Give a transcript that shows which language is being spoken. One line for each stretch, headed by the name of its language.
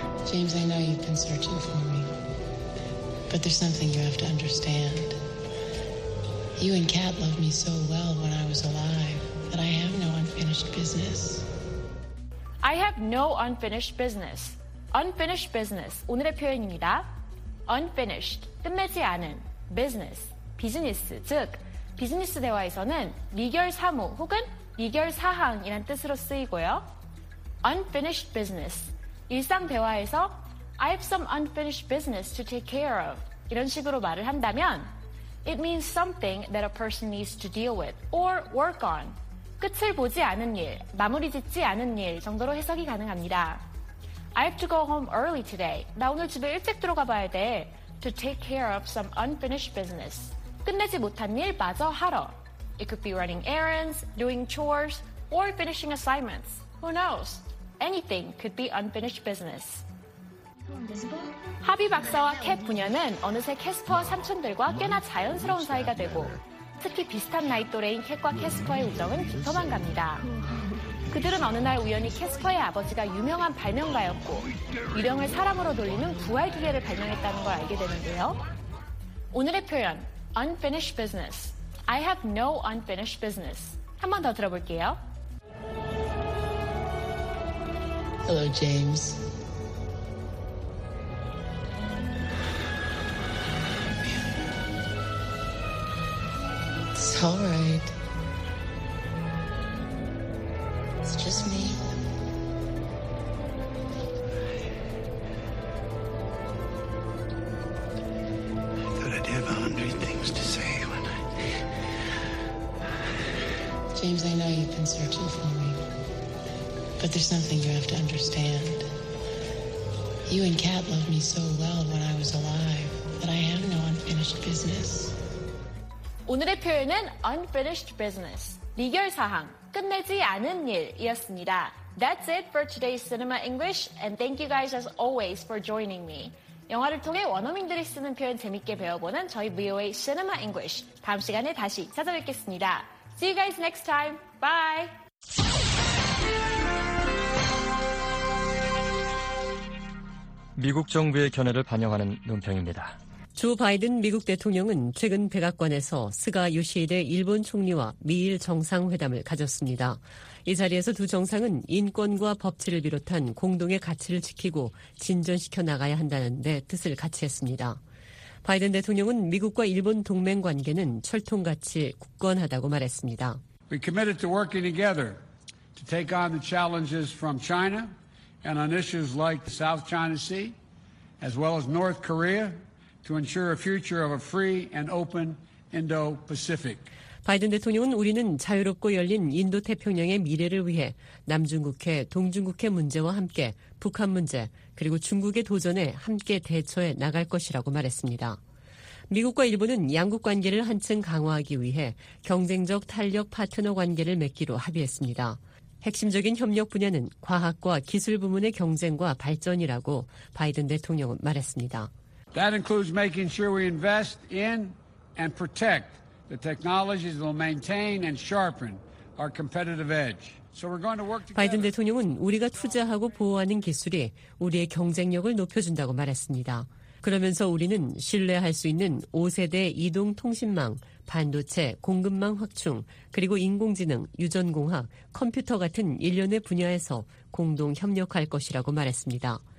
English: James, I know you've been searching for me. But there's something you have to understand. You and Kat loved me so well when I was alive that I have no unfinished business. I have no unfinished business.
Korean: Unfinished business, 오늘의 표현입니다. Unfinished, 끝내지 않은, business, 비즈니스, 즉, 비즈니스 대화에서는 미결 사무 혹은 미결 사항이란 뜻으로 쓰이고요.
English: Unfinished business,
Korean: 일상 대화에서
English: I have some unfinished business to take care of,
Korean: 이런 식으로 말을 한다면
English: It means something that a person needs to deal with or work on.
Korean: 끝을 보지 않은 일, 마무리 짓지 않은 일 정도로 해석이 가능합니다.
English: I have to go home early today.
Korean: 나 오늘 집에 일찍 들어가 봐야 돼.
English: To take care of some unfinished business.
Korean: 끝내지 못한 일 마저 하러.
English: It could be running errands, doing chores, or finishing assignments. Who knows? Anything could be unfinished business.
Korean: 하비 박사와 캣 부녀는 어느새 캐스퍼와 삼촌들과 꽤나 자연스러운 사이가 되고 특히 비슷한 나이 또래인 캣과 캐스퍼의 우정은 깊어만 갑니다. 그들은 어느 날 우연히 캐스퍼의 아버지가 유명한 발명가였고 유령을 사람으로 돌리는 부활 기계를 발명했다는 걸 알게 되는데요. 오늘의 표현, unfinished business.
English: I have no unfinished business.
Korean: 한 번 더 들어볼게요.
English: Hello, James. It's all right. It's just me. I thought I'd have 100 things to say when I... James, I know you've been searching for me. But there's something you have to understand. You and Kat loved me so well when I was alive that I have no unfinished business.
Korean: 오늘의 표현은 unfinished business, 미결 사항, 끝내지 않은 일이었습니다.
English: That's it for today's Cinema English, and thank you guys as always for joining me.
Korean: 영화를 통해 원어민들이 쓰는 표현 재밌게 배워보는 저희 VOA Cinema English. 다음 시간에 다시 찾아뵙겠습니다.
English: See you guys next time. Bye!
Korean: (미국) 정부의 견해를 반영하는 논평입니다. 조 바이든 미국 대통령은 최근 백악관에서 스가 요시히데 일본 총리와 미일 정상회담을 가졌습니다. 이 자리에서 두 정상은 인권과 법치를 비롯한 공동의 가치를 지키고 진전시켜 나가야 한다는데 뜻을 같이 했습니다. 바이든 대통령은 미국과 일본 동맹 관계는 철통같이 굳건하다고 말했습니다.
English: We committed to working together to take on the challenges from China and on issues like the South China Sea as well as North Korea. To ensure a future of a free and open Indo-Pacific.
Korean: 바이든 대통령은 우리는 자유롭고 열린 인도태평양의 미래를 위해 남중국해, 동중국해 문제와 함께 북한 문제 그리고 중국의 도전에 함께 대처해 나갈 것이라고 말했습니다. 미국과 일본은 양국 관계를 한층 강화하기 위해 경쟁적 탄력 파트너 관계를 맺기로 합의했습니다. 핵심적인 협력 분야는 과학과 기술 부문의 경쟁과 발전이라고 바이든 대통령은 말했습니다.
English: That includes making sure we invest in and protect the technologies that will maintain and sharpen our competitive edge. So we're going to work together.
Korean: 바이든 대통령은 우리가 투자하고 보호하는 기술이 우리의 경쟁력을 높여준다고 말했습니다. 그러면서 우리는 신뢰할 수 있는 5세대 이동 통신망, 반도체, 공급망 확충, 그리고 인공지능, 유전공학, 컴퓨터 같은 일련의 분야에서 공동 협력할 것이라고 말했습니다.